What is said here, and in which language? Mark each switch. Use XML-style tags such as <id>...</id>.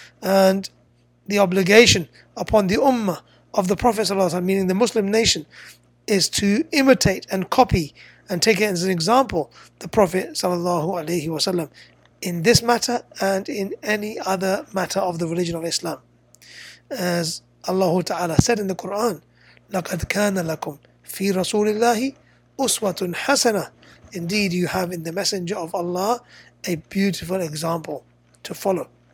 <en>And the obligation upon the ummah of the Prophet ﷺ, meaning the Muslim nation, is to imitate and copy and take it as an example, the Prophet ﷺ, in this matter and in any other matter of the religion of Islam. As Allah Ta'ala said in the Quran,</en> <ar>لَقَدْ كَانَ لَكُمْ فِي رَسُولِ اللَّهِ أُسْوَةٌ حَسَنَةٌ.</ar> <en>Indeed, you have in the Messenger of Allah a beautiful example to follow.</en>